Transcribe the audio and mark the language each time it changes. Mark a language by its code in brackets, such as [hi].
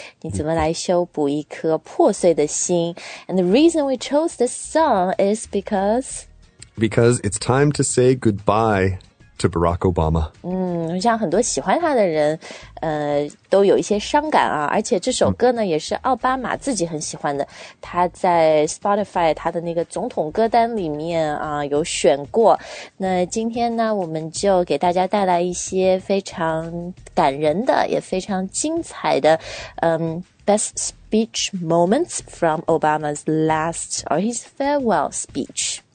[zh] 你怎么来修补一颗破碎的心？ [en] And the reason we chose this song is because it's time to say goodbye to Barack Obama. [zh] 像很多喜欢他的人都有一些伤感啊，而且这首歌呢也是奥巴马自己很喜欢的，他在 Spotify 他的那个总统歌单里面啊有选过。那今天呢我们就给大家带来一些非常感人的也非常精彩的 [en] Best Speech Moments from Obama's Last or His Farewell Speech